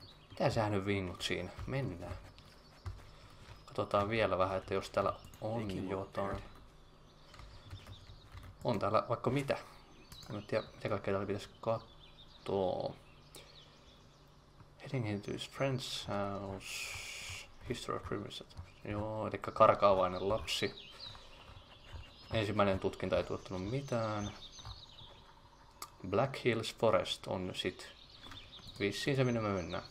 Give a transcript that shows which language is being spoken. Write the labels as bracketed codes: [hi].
[fi] Mitä sähän nyt vingut siinä? Mennään. Katsotaan vielä vähän, että jos täällä on jotain. On täällä vaikka mitä. En tiedä, mitä kaikkea täällä pitäisi katsoa. [en] Heading into his friend's house. History of premises. [fi] Joo, eli karkaavainen lapsi. Ensimmäinen tutkinta ei tuottanut mitään. Black Hills Forest on sit vissiin se, minne me mennään.